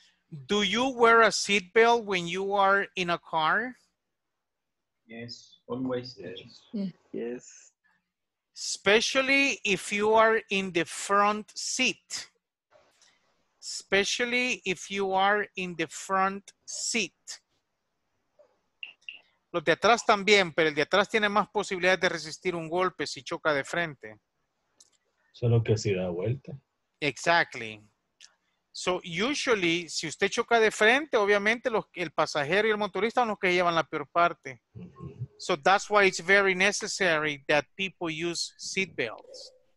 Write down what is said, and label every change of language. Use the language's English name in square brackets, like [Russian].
[English] Do you wear a seatbelt when you are in a car? Yes, always. Yes. Especially if you are in the front seat. Especially if you are in the front seat. [Spanish] Los de atrás también, pero el de atrás tiene más posibilidades de resistir un golpe si choca de frente. Solo que si da vuelta. [English] Exactly. So, usually, [Spanish] si usted choca de frente, obviamente los, el pasajero y el motorista son los que llevan la peor parte. [English] So, that's why it's very necessary that people use seatbelts.